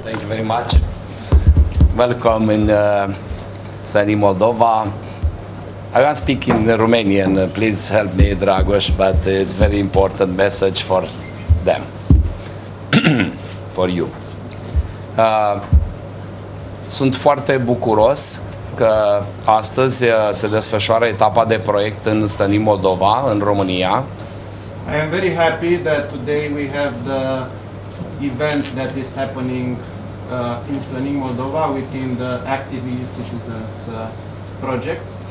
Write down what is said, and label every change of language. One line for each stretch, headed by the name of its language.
English: Thank you very much. Welcome in Sunny Moldova. I want to speak in Romanian, please help me, Dragos, but it's a very important message for them, for you.
Romanian: Sunt foarte bucuros că astăzi se desfășoară etapa de proiect în Sunny Moldova, în România.
English: I am very happy that today we have the event that is happening in Slănic Moldova within the Active EU Citizens project.